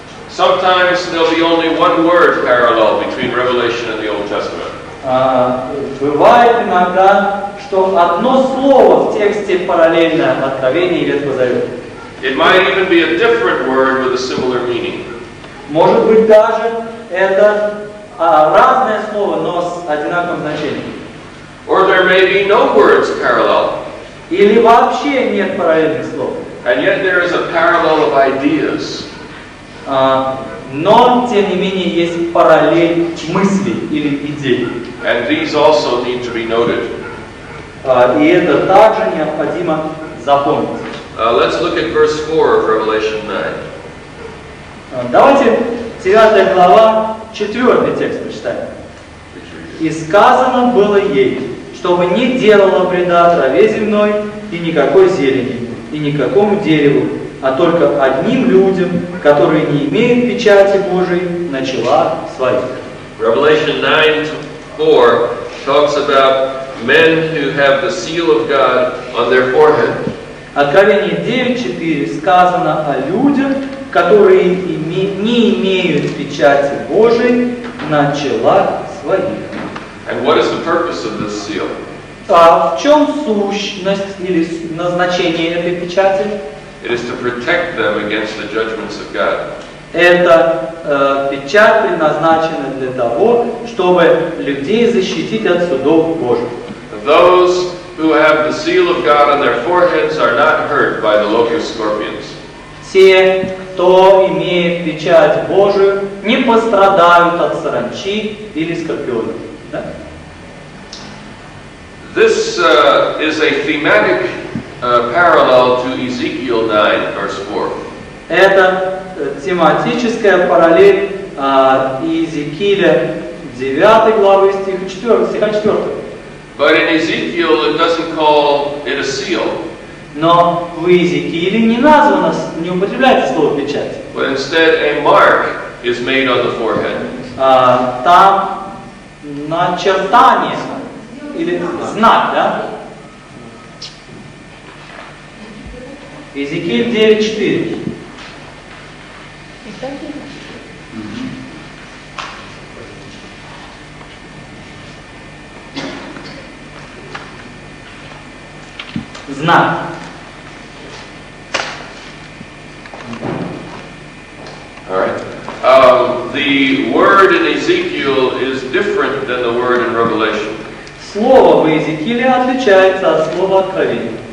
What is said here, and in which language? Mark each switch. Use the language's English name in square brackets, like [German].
[English] Sometimes there'll be only one word parallel between Revelation and the Old Testament. [Russian] Бывает иногда, что одно слово в тексте параллельное в Откровении или в Завете. [English] It might even be a different word with a similar meaning. [Russian] Может быть даже это разное слово, но с одинаковым значением. [English] Or there may be no words parallel. [Russian] Или вообще нет параллельных слов. [English] And yet there is a parallel of ideas. [Russian] Но, тем не менее, есть параллель мыслей или идей. [English] And these also need to be noted. [Russian] И это также необходимо запомнить. [English] Let's look at verse 4 of Revelation 9. [Russian] Давайте 9 глава, 4 текст прочитаем. «И сказано было ей, чтобы не делала вреда траве земной и никакой зелени, и никакому дереву, а только одним людям, которые не имеют печати Божией, на челах своих». [English] Revelation 9:4 talks about men who have the seal of God on their forehead. [Russian] Откровение 9:4 сказано о людях, которые не имеют печати Божией на челах своих. [English] And what is the purpose of this seal? [Russian] В чем сущность или назначение этой печати? [English] It is to protect them against the judgments of God. [Russian] Эта печать предназначена для того, чтобы людей защитить от судов Божьих. [English] Those who have the seal of God on their foreheads are not hurt by the locust scorpions. [Russian] Те, кто имеет печать Божию, не пострадают от саранчи или скорпионов. Да? [English] This is a thematic parallel to Ezekiel 9, verse 4. [Russian] Это тематическая параллель Иезекииля 9 главы стиха 4, стиха 4. [English] But in Ezekiel it doesn't call it a seal. [Russian] Но в Иезекииле не названо, не употребляется слово печать. [English] But instead a mark is made on the forehead. [Russian] Там начертание или знак, да? Иезекииль 9:4. Знак. [English] All right. The word in Ezekiel is different than the word in Revelation. [Russian] Слово в Иезекииле отличается от слова в Откровении.